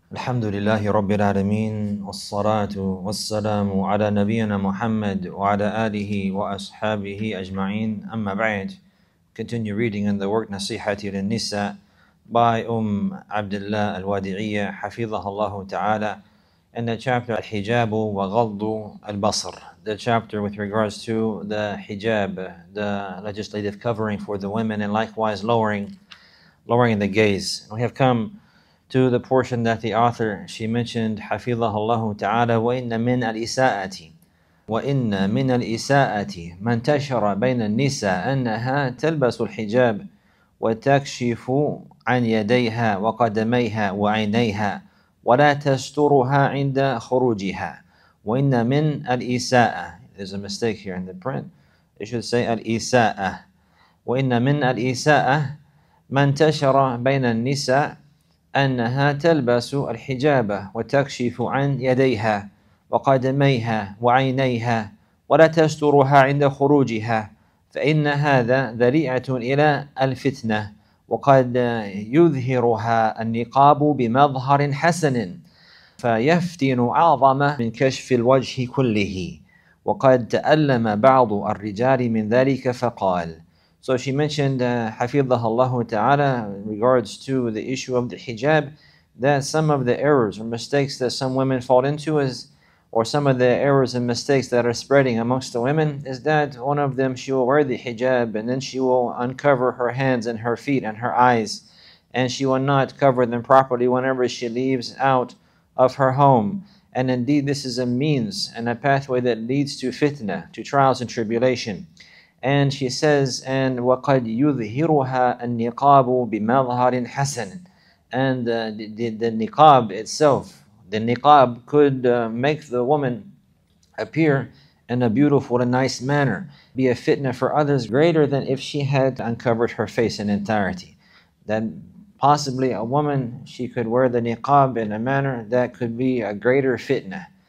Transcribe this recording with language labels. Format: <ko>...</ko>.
<ar>الحمد لله رب العالمين والصلاة والسلام على نبينا محمد وعلى آله وأصحابه أجمعين أما بعد.</ar> <en>Continue reading in the work نصيحة للنساء by عبد الله الوادعية حفظها الله تعالى in the chapter الحجاب وغض البصر, the chapter with regards to the hijab, the legislative covering for the women, and likewise lowering the gaze. We have come to the portion that the author, she mentioned,</en> <ar>حَفِظَهَ اللَّهُ تَعَالَى وَإِنَّ مِنَ الْإِسَاءَةِ وَإِنَّ مِنَ الْإِسَاءَةِ مَنْ تَشَرَ بَيْنَ النِّسَاءَ أَنَّهَا تَلْبَسُ الْحِجَابَ وَتَكْشِفُ عَنْ يَدَيْهَا وَقَدَمَيْهَا وَعَيْنَيْهَا وَلَا تَسْتُرُهَا عِنْدَ خُرُوجِهَا وَإِنَّ مِنَ الْإِسَاءَةِ.</ar> <en>There's a mistake here in the print. It should say الْإِسَاءَةِ.</en> <ar>وَإِنَّ مِنَ الْإِسَاءَةِ مَنْ تَشَرَ بَيْنَ النِّسَاءَ أنها تلبس الحجاب وتكشف عن يديها وقدميها وعينيها ولا تسترها عند خروجها فإن هذا ذريعة إلى الفتنة وقد يظهرها النقاب بمظهر حسن فيفتن أعظم من كشف الوجه كله وقد تألم بعض الرجال من ذلك فقال.</ar> <en>So she mentioned,</en> <ar>حَفِظَهَ اللَّهُ تَعَالَى,</ar> <en>in regards to the issue of the hijab, that some of the errors or mistakes that some women fall into is, or some of the errors and mistakes that are spreading amongst the women, is that one of them, she will wear the hijab and then she will uncover her hands and her feet and her eyes, and she will not cover them properly whenever she leaves out of her home. And indeed, this is a means and a pathway that leads to fitna, to trials and tribulation. And she says, and</en> <ar>وَقَدْ يُظْهِرُهَا النِّقَابُ بِمَظْهَرٍ حَسَنٍ.</ar> <en>And the niqab itself, the niqab could make the woman appear in a beautiful and nice manner, be a fitna for others greater than if she had uncovered her face in entirety. Then possibly a woman, she could wear the niqab in a manner that could be a greater fitna.</en>